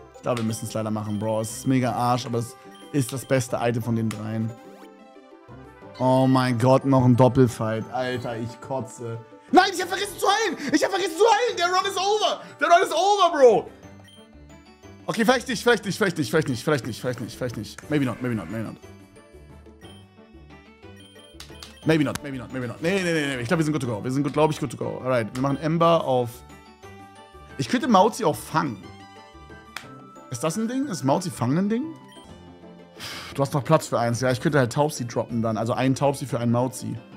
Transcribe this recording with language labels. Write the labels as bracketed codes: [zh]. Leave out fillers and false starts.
[de] Ich glaube, wir müssen es leider machen, Bro. Es ist mega Arsch, aber es ist das beste Item von den dreien. Oh mein Gott, noch ein Doppelfight. Alter, ich kotze. Nein, ich hab vergessen zu heilen! Ich hab vergessen zu heilen! Der Run ist over! Der Run ist over, Bro! Okay, vielleicht nicht, vielleicht nicht, vielleicht nicht, vielleicht nicht, vielleicht nicht, vielleicht nicht, vielleicht nicht. [en] Maybe not, maybe not, maybe not. Maybe not, maybe not, maybe not. [de] Nee, nee, nee, nee. Ich glaube, wir sind good to go. Wir sind, glaube ich, good to go. Alright, wir machen Ember auf. Ich könnte Mauzi auch fangen. Ist das ein Ding? Ist Mauzi fangen ein Ding? Du hast noch Platz für eins. Ja, ich könnte halt Taubsi droppen dann. Also einen Taubsi für einen Mauzi.